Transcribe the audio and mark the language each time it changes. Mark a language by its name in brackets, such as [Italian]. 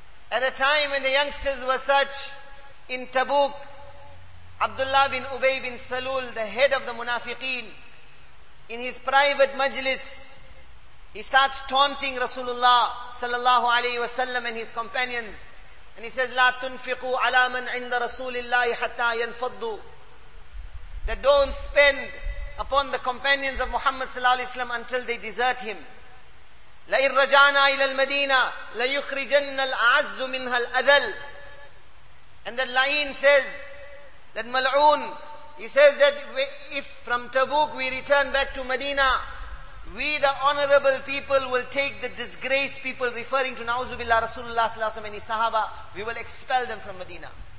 [English] At a time when the youngsters were such, in Tabuk, Abdullah bin Ubay bin Salul, the head of the munafiqeen, in his private majlis, he starts taunting Rasulullah sallallahu alayhi wa sallam and his companions. And he says, [Arabic] لا تنفقوا على من عند رسول الله حتى ينفضوا. [English] That don't spend upon the companions of Muhammad sallallahu alayhi wa sallam until they desert him. [Arabic] لَإِن رَجَعْنَا إِلَى الْمَدِينَةِ لَيُخْرِجَنَّ الْأَعَزُّ مِنْهَا الْأَذَلِ. [English] And that La'een says, that Mal'oon, he says that if from Tabuk we return back to Medina, we the honorable people will take the disgraced people, referring to Na'uzubillah Rasulullah sallallahu alayhi wa sallam and his sahaba, we will expel them from Medina.